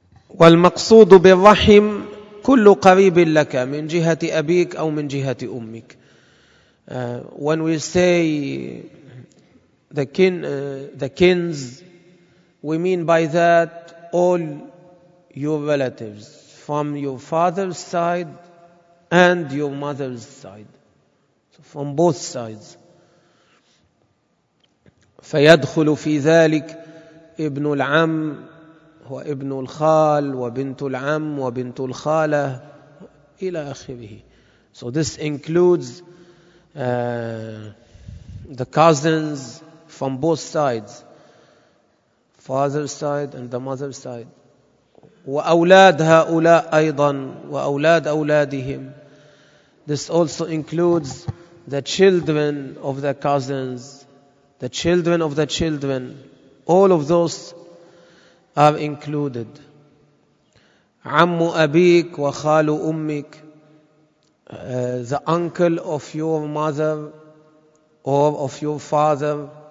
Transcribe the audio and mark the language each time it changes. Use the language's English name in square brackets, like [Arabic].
[Arabic] والمقصود بالرحم كل قريب لك من جهة أبيك أو من جهة أمك. [English] When we say the kins, we mean by that all your relatives from your father's side and your mother's side. So from both sides. [Arabic] فيدخل في ذلك ابن العم وابن الخال وبنت العم وبنت الخالة إلى آخره. [English] So this includes the cousins from both sides, father's side and the mother's side. [Arabic] وأولاد هؤلاء أيضا وأولاد أولادهم. [English] This also includes the children of the cousins, the children of the children, all of those are included. [Arabic] عمّ أبيك وخال أمك, [English] the uncle of your mother or of your father.